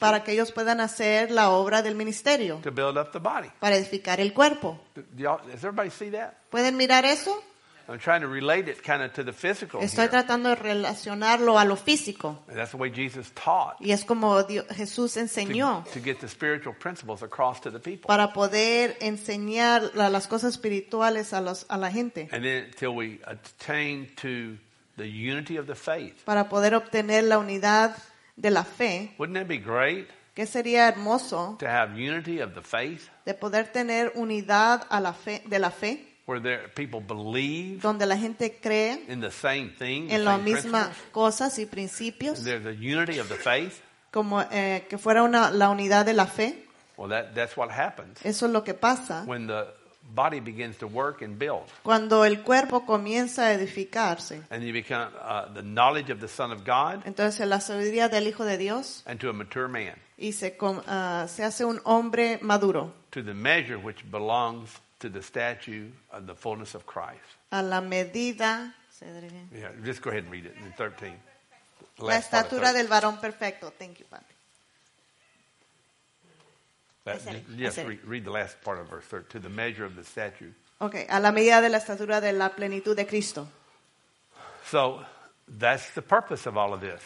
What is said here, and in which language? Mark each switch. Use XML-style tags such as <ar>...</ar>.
<es>Para que ellos puedan hacer la obra del ministerio.</es> <en>To build up the body.</en> <es>Para edificar el cuerpo.</es> <en>Does everybody see that?</en> <es>¿Pueden mirar eso?</es> <en>I'm trying to relate it kind of to the physical.</en> <es>Estoy tratando de relacionarlo a lo físico.</es> <en>And that's the way Jesus taught.</en> <es>Y es como Jesús enseñó.</es> <en>To get the spiritual principles across to the people.</en> <es>Para poder enseñar las cosas espirituales a la gente.</es> <en>And then till we attain to the unity of the faith.</en> <es>Para poder obtener la unidad de la fe.</es> <en>Wouldn't that be great?</en> <es>¿Qué sería hermoso?</es> <en>To have unity of the faith.</en> <es>De poder tener unidad a la fe, de la fe.</es> <en>Where there people believe,</en> <es>donde la gente cree,</es> <en>in the same thing,</en> <es>en las mismas cosas y principios,</es> <en>there's a unity of the faith,</en> <es>como que fuera una la unidad de la fe.</es> <en>Well, that's what happens.</en> <es>Eso es lo que pasa.</es> <en>When the body begins to work and build,</en> <es>cuando el cuerpo comienza a edificarse,</es> <en>and you become the knowledge of the Son of God,</en> <es>entonces la sabiduría del Hijo de Dios,</es> <en>and to a mature man,</en> <es>y se hace un hombre maduro,</es> <en>to the measure which belongs. To the statue of the fullness of Christ.</en> <es>A la medida.</es> <en>Yeah, just go ahead and read it in 13.</en> <es>La estatura del varón perfecto.</es> <en>Thank you,</en> <es>Padre.</es> <en>Read the last part of verse 13. To the measure of the statue.</en> <es>Okay, a la medida de la estatura de la plenitud de Cristo.</es> <en>So, that's the purpose of all of this.</en>